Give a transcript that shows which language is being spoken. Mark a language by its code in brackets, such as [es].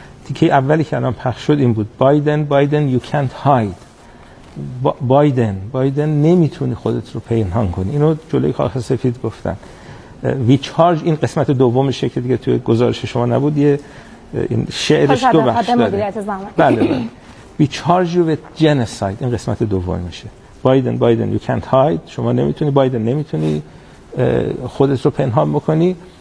[fa] تیکه اولی که الان پخش شد این بود: بایدن بایدن [en] You can't hide. [fa] بایدن بایدن نمیتونی خودت رو پنهان کنی. اینو جلوی کاخ سفید گفتن. [en] we charge, [fa] این قسمت دومش که دیگه توی گزارش شما نبود، یه این شعرش دو بخش داره. بله بله. [en] We charge you with genocide. [fa] این قسمت دوم میشه. [en] Biden Biden you can't hide. [fa] شما نمیتونی، بایدن نمیتونی خودت رو پنهان بکنی.